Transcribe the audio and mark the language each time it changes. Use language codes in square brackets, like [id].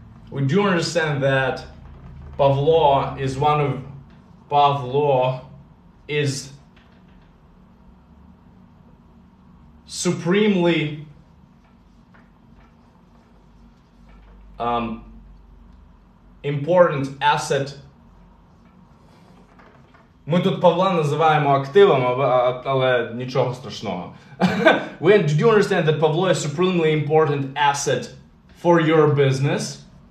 [en] We do understand that Pavlo is supremely important asset. [uk] Ми тут Павла називаємо активом, але нічого страшного. [en] Do you understand that Pavlo is supremely important asset for your business?